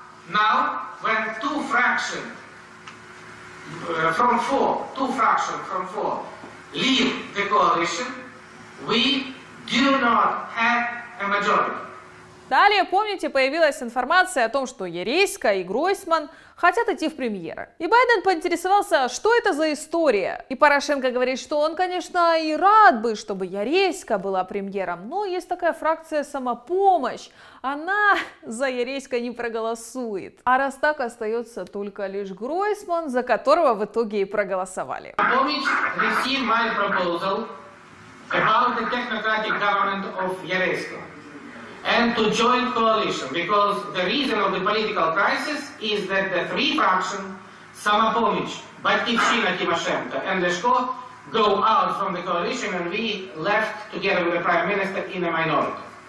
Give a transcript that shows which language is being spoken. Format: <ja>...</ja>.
<en>Now, when two fractions from four, two fractions from four leave the coalition, we do not have a majority.</en> <ru>Далее, помните, появилась информация о том, что Ярейска и Гройсман хотят идти в премьеры. И Байден поинтересовался, что это за история. И Порошенко говорит, что он, конечно, и рад бы, чтобы Ярейска была премьером, но есть такая фракция «Самопомощь». Она за Ярейска не проголосует. А раз так, остается только лишь Гройсман, за которого в итоге и проголосовали. Помнишь,</ru> <en>receive my proposal about the technocratic government of Ярейска. And to join coalition, because the reason of the political crisis is that the three factions, Samopomich, Batkivshina, Timoshenko, and Leshko, go out from the coalition and we left together with the prime minister in a minority.</en>